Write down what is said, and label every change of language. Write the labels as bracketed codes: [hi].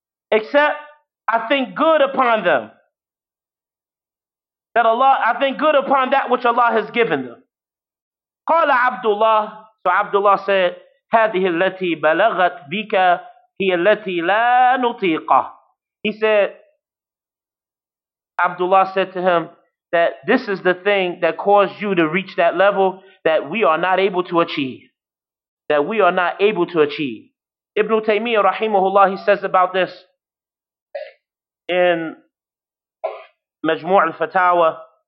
[en] Except I think good upon them. That Allah, I think good upon that which Allah has given them. Qala Abdullah, so Abdullah said, [ar] هذه التي بلغت بك هي التي لا نطيقها. [en] He said, Abdullah said to him, that this is the thing that caused you to reach that level that we are not able to achieve. That we are not able to achieve. Ibn Taymiyyah, rahimahullah, he says about this in Majmu' al-Fatawa.